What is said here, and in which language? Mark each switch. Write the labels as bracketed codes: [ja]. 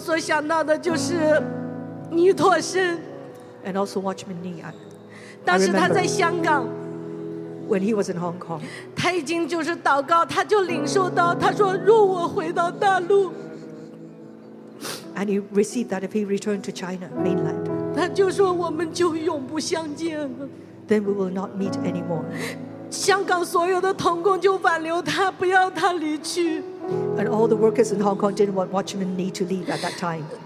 [zh] 他还有一个没讲的就是我所想到的就是尼托生。 [en] And also Watchman Nee. [zh] 当时他在香港, [en] when he was in Hong Kong, [zh] 他已经就是祷告, 他就领受到, 他说若我回到大陆。 [en] And he received that if he returned to China, mainland. [zh] 他就说我们就永不相见了。 [en] Then we will not meet anymore. [zh] 香港所有的同工就挽留他，不要他离去。 [en] And all the workers in Hong Kong didn't want Watchman Nee to leave at that time.